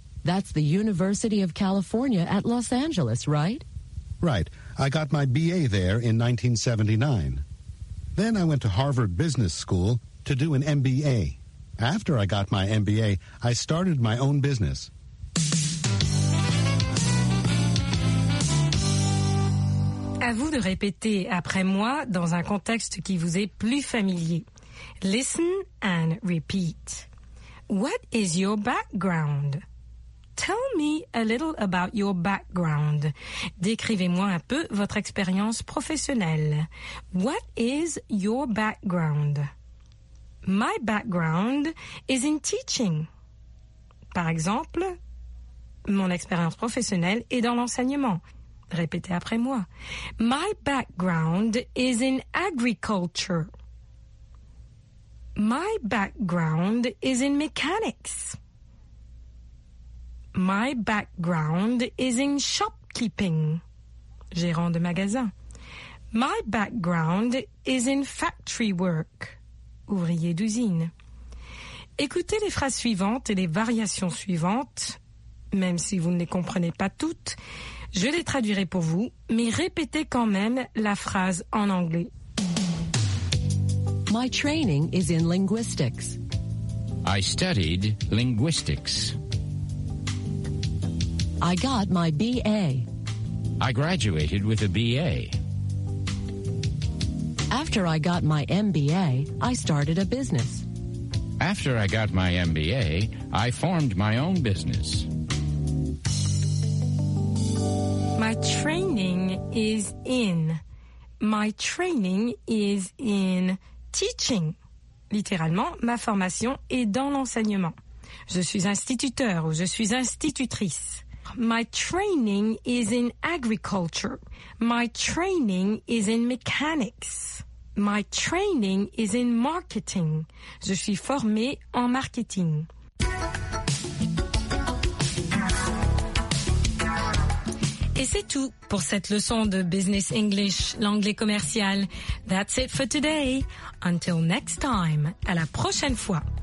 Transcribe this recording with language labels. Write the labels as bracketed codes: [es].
[en] That's the University of California at Los Angeles, right? Right. I got my BA there in 1979. Then I went to Harvard Business School to do an MBA. After I got my MBA, I started my own business. [fr] À vous de répéter après moi dans un contexte qui vous est plus familier. [en] Listen and repeat. What is your background? Tell me a little about your background. [fr] Décrivez-moi un peu votre expérience professionnelle. [en] What is your background? My background is in teaching. [fr] Par exemple, mon expérience professionnelle est dans l'enseignement. Répétez après moi. [en] My background is in agriculture. My background is in mechanics. My background is in shopkeeping. [fr] Gérant de magasin. [en] My background is in factory work. [fr] Ouvrier d'usine. Écoutez les phrases suivantes et les variations suivantes. Même si vous ne les comprenez pas toutes, je les traduirai pour vous, mais répétez quand même la phrase en anglais. [en] My training is in linguistics. I studied linguistics. I got my BA. I graduated with a BA. After I got my MBA, I started a business. After I got my MBA, I formed my own business. My training is in. My training is in teaching. [fr] Littéralement, ma formation est dans l'enseignement. Je suis instituteur ou je suis institutrice. [en] My training is in agriculture. My training is in mechanics. My training is in marketing. [fr] Je suis formée en marketing. Et c'est tout pour cette leçon de Business English, l'anglais commercial. [en] That's it for today. Until next time, [fr] à la prochaine fois.